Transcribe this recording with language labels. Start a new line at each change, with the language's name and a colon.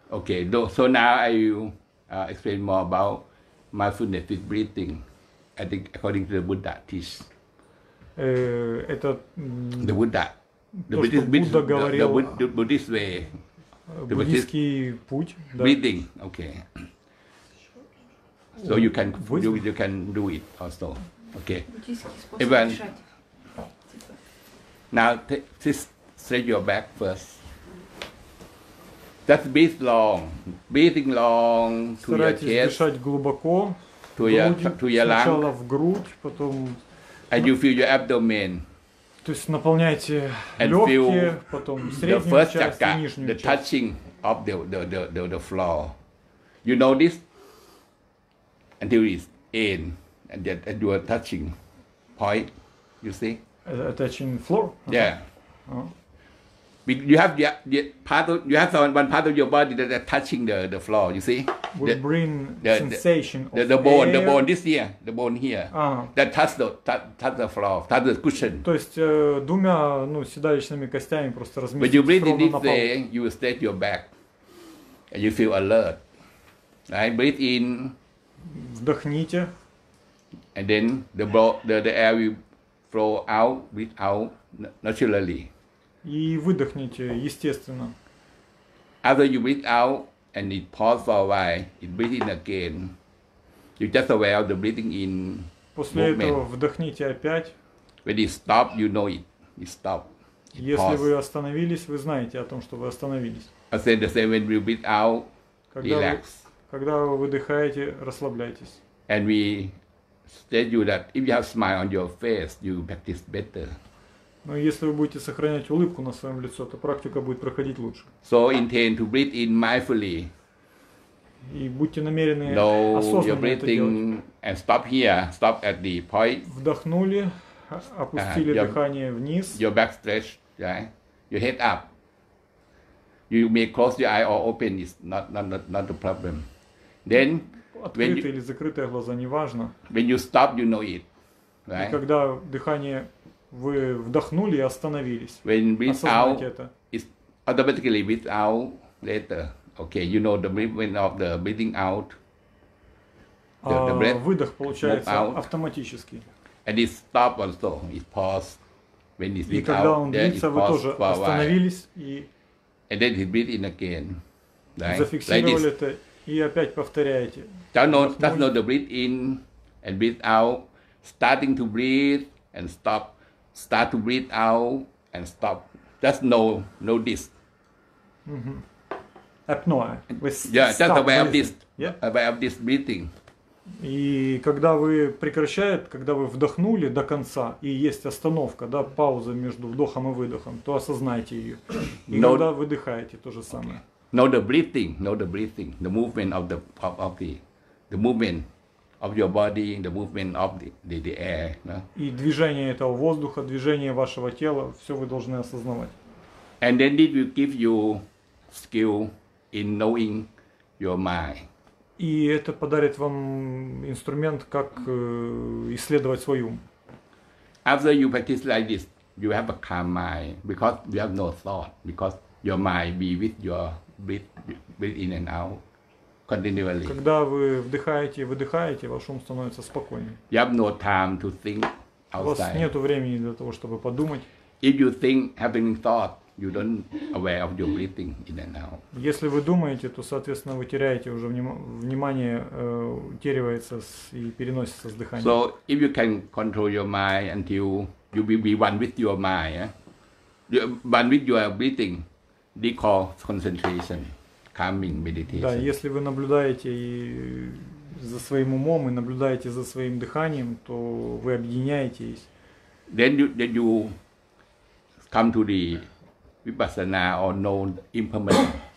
English: Okay. So now I explain more about mindfulness breathing, according to the Buddha teach.
Russian: Это
English: the Buddha.
Russian: То, что Будда говорил,
English: Buddhist way,
Russian: буддийский путь, да.
English: Breathing, okay. So you can do it also, okay. Even now, stretch your back first. Just breathe long, breathing long to your chest.
Russian: Старайтесь дышать глубоко.
English: To your lungs.
Russian: Сначала в грудь, потом.
English: And you feel your abdomen.
Russian: То есть наполняйте легкие, потом среднюю часть,
English: chakra,
Russian: и нижнюю
English: the
Russian: часть.
English: The touching of the floor. You know this until it's in and that you are touching point. You see? Touching floor. Okay. Yeah. You have the part of, you have some, one part of your body that are touching the floor. You see? Will bring sensation. The bone here. That touch the floor, touch the cushion.
Russian: То есть двумя, ну, седалищными костями просто разместить.
English: When you breathe in this way, you will stretch your back, and you feel alert. Right? Breathe in.
Russian: Вдохните.
English: And then the air will flow out, breathe out naturally.
Russian: И выдохните естественно.
English: After you breathe out and it pause for a while, it breathe in again. You just aware of the breathing in.
Russian: После
English: movement.
Russian: Этого вдохните опять.
English: When it stop, you know it. It stop. It
Russian: Если
English: pause.
Russian: Вы остановились, вы знаете о том, что вы остановились.
English: I said the same when you breathe out,
Russian: когда
English: relax.
Russian: Когда вы выдыхаете, расслабляйтесь.
English: And we tell you that if you have smile on your face, you practice better.
Russian: Но если вы будете сохранять улыбку на своем лице, то практика будет проходить лучше.
English: So intend to breathe in mindfully.
Russian: И будьте намерены осознанно это делать.
English: And stop here, stop at the point.
Russian: Вдохнули, опустили дыхание вниз.
English: Your back stretch, right? Your head up. You may close your eye or open, it's not a problem. Then,
Russian: открытые или закрытые глаза, неважно.
English: When you stop, you know it, right?
Russian: И когда дыхание вы вдохнули и остановились.
English: When breathe out, it's automatically breathe out later. Okay, you know the movement of the breathing out. The breath
Russian: выдох получается
English: out,
Russian: автоматически.
English: And it stop also, it pause. When it's
Russian: и когда он длится, вы тоже остановились и...
English: And then he breathe in again. Right?
Russian: Зафиксировали
English: like
Russian: это и опять повторяете.
English: Just know the breathe in and breathe out. Starting to breathe and stop. Start to breathe out and stop. Just know, this. Mm-hmm. Apnoe. Yeah, just aware of this. Yeah. Aware of this breathing.
Russian: И когда вы прекращаете, когда вы вдохнули до конца, и есть остановка, да, пауза между вдохом и выдохом, то осознайте ее. И когда выдыхаете, то же самое.
English: Know the breathing, the movement of the movement of your body, the movement of the air. No?
Russian: И движение этого воздуха, движение вашего тела, все вы должны осознавать.
English: And then it will give you skill in knowing your mind.
Russian: И это подарит вам инструмент, как исследовать свой ум.
English: After you practice like this, you have a calm mind, because you have no thought, because your mind be with your breath in and out continually.
Russian: Когда вы вдыхаете и выдыхаете, ваш ум становится спокойнее.
English: You have no time to think outside.
Russian: У вас нету времени для того, чтобы подумать.
English: If you think having thought, you don't aware of your breathing in and out.
Russian: Если вы думаете, то, соответственно, вы теряете уже внимание, утеряется и переносится с дыханием.
English: So if you can control your mind until you be one with your mind, one with your breathing, they call concentration, calming meditation.
Russian: Да, если вы наблюдаете и за своим умом и наблюдаете за своим дыханием, то вы объединяетесь.
English: Then you come to the Vipassana or known impermanent.